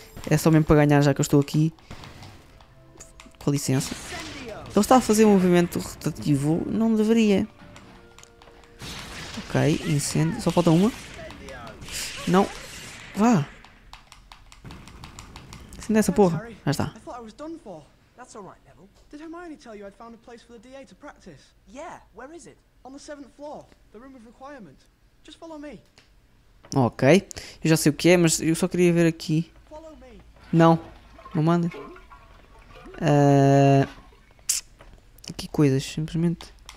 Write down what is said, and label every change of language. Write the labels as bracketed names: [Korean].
[Portuguese] É só mesmo para ganhar, já que eu estou aqui. Com licença. Ele está a fazer um movimento rotativo. Não deveria. Ok, incêndio. Só falta uma. Não. Vá. Acende essa porra. Já está. Eu pensei que eu estava pronto. Está bem, Neville. [English] Did Hermione tell you I'd found a place for the DA to practice? Yeah, where is it? On the 7th floor. The room of requirement. Just follow me. Ok. [Portuguese] Eu já sei o que é, mas eu só queria ver aqui. Não, não manda. Aqui coisas, simplesmente.